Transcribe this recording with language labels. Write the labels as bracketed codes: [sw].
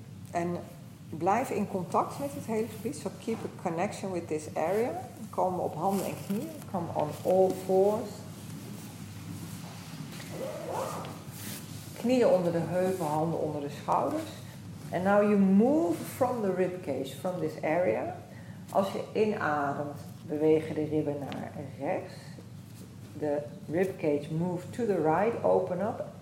[nl] En blijf in contact met het hele gebied, [en] so keep a connection with this area. [nl] Kom op handen en knieën, [en] come on all fours. [nl] Knieën onder de heupen, handen onder de schouders. [en] And now you move from the ribcage, from this area. [nl] Als je inademt, bewegen de ribben naar rechts. [en] The ribcage move to the right, open up.